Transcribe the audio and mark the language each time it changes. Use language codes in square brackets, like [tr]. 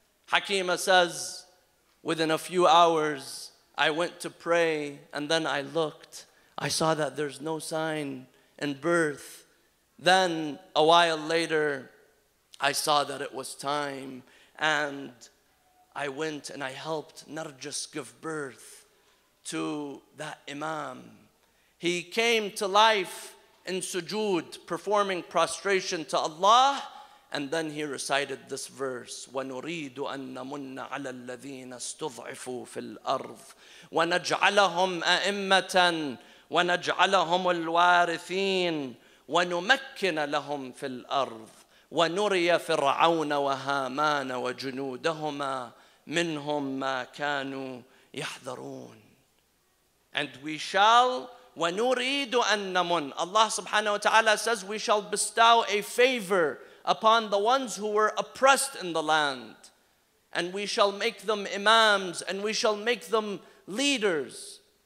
[en] Hakima says, within a few hours, I went to pray, and then I looked. I saw that there's no sign in birth. Then, a while later, I saw that it was time, and I went and I helped Narjas give birth to that Imam. He came to life in sujood, performing prostration to Allah, and then he recited this verse, [ar] وَنُرِيدُ أَن نَمُنَّ عَلَى الَّذِينَ اسْتُضْعِفُوا فِي الْأَرْضِ وَنَجْعَلَهُمْ أَئِمَّةً وَنَجْعَلَهُمُ الْوَارِثِينَ وَنُمَكِّنَ لَهُمْ فِي الْأَرْضِ وَنُرِيَ فِرْعَوْنَ وَهَامَانَ وَجُنُودَهُمَا مِنْهُمْ مَا كَانُوا يَحْذَرُونَ. [en] And we shall, [ar] وَنُرِيدُ أَن نَمُنَّ, [en] Allah subhanahu wa ta'ala says, we shall bestow a favor upon the ones who were oppressed in the land, and we shall make them imams, and we shall make them leaders.